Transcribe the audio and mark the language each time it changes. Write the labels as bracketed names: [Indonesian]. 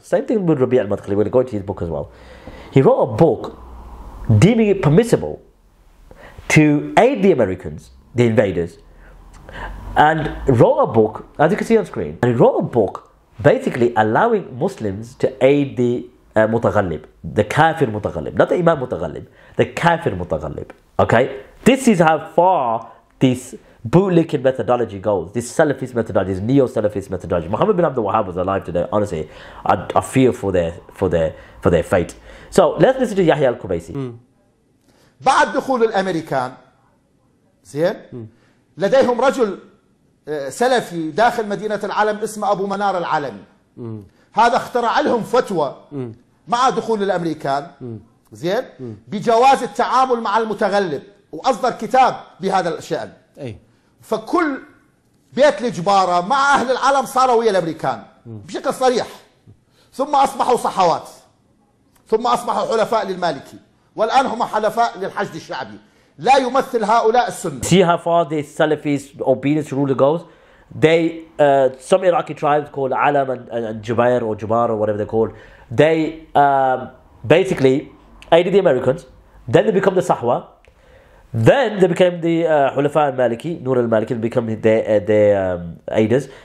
[English] Same thing with Rabi' al-Madkhali, we're going to his book as well. He wrote a book deeming it permissible to aid the Americans, the invaders, and wrote a book, as you can see on screen, and he wrote a book basically allowing Muslims to aid the Mutaghallib, the Kafir Mutaghallib, not the Imam Mutaghallib, the Kafir Mutaghallib. Okay, this is how far this bootlicking methodology goes, this Salafist methodology, this neo-Salafist methodology. Muhammad bin Abdul Wahhab was alive today, honestly, I fear for their fate. So let's listen to Yahya al-Kubaisi. [Arabic] بعد دخول الأمريكان زين لديهم رجل سلفي داخل مدينة العلم اسمه أبو منار العلم هذا اخترع لهم فتوى مع دخول الأمريكان زين بجواز التعامل مع المتغلب وأصدر كتاب بهذا الشأن فكل بيت الجبارة مع أهل العلم صاروا ويا الأمريكان بشكل صريح ثم أصبحوا صحوات ثم أصبحوا حلفاء للمالكي والآن هم حلفاء للحشد الشعبي لا يمثل هؤلاء السنة. [English] See how far the Salafis obedience rule goes. They some Iraqi tribes called Alam and Jubair or Jubar or whatever they're called. They basically aided the Americans. Then they become the Sahwa. Then they became the Hulafa al-Maliki, Nur al-Maliki, become their aiders.